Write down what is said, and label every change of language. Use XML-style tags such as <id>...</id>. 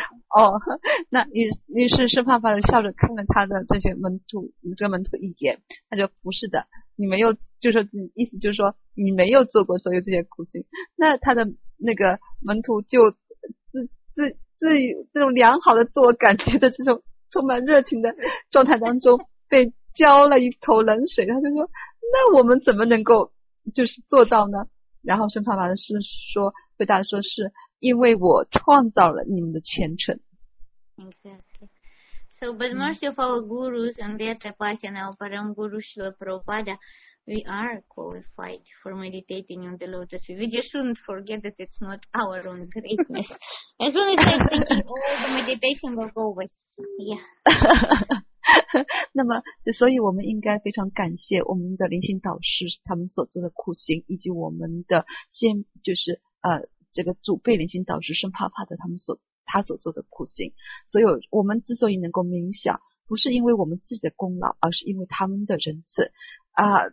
<zh>哦，那于是释迦牟尼笑着看了他的这些门徒，这个门徒一眼，他就不是的，你没有，就是意思就是说你没有做过所有这些苦行，那他的那个门徒就自这种良好的自我感觉的这种充满热情的状态当中，被浇了一头冷水，他就说，那我们怎么能够就是做到呢？然后圣帕巴的是说，回答说是因为我创造了你们的前程。</zh> <en>Exactly. So, by the mercy of our gurus and their tapasana of Param Guru Srila Prabhupada, we are qualified for meditating on the lotus. We just shouldn't forget that it's not our own greatness. As long as I'm thinking, all the meditation will go away. Yeah.</en> <zh>那么，所以我们应该非常感谢我们的灵性导师他们所做的苦行，以及我们的先就是这个祖辈灵性导师圣帕帕的他所做的苦行。所以我们之所以能够冥想，不是因为我们自己的功劳，而是因为他们的仁慈啊。</zh>